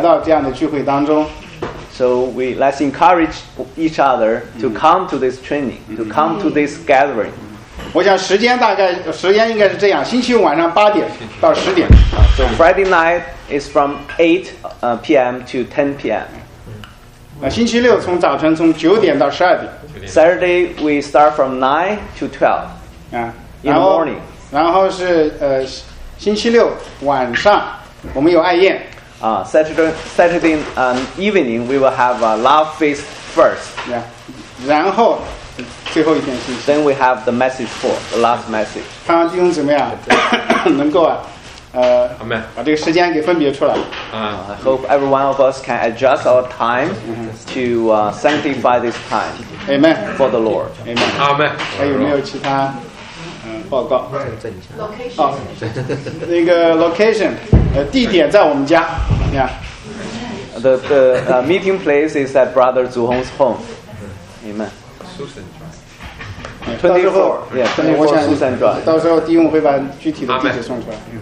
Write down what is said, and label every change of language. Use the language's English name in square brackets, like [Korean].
[English] So let's encourage each other to come to this training, to come to this gathering. [Chinese] 我想时间大概时间应该是这样，星期五晚上八点到十点。 [English] So Friday night is from 8 p.m. to 10 p.m. [Chinese] 星期六从早晨从九点到十二点。 [English] Saturday we start from 9 to 12. In the morning. [Chinese] 然后是星期六晚上我们有爱宴。 [English] Saturday evening we will have a love feast first. [Chinese] Yeah. 然后最后一天星期。 [English] Then we have the message for the last message. [Chinese] 看看弟兄怎么样能够把这个时间给分别出来。 [English] I hope every one of us can adjust our time to sanctify this time. Amen. For the Lord. Amen. Amen. [Chinese] 还有没有其他报告 [English] location、 [Chinese] 哦、那个 location 地点在我们家、yeah. [English] the meeting place is at Brother Zhu Hong's home. Amen. Susan Drive 24 yeah, 24 Susan Drive [Chinese] 到时候弟兄会把具体的地址送出来。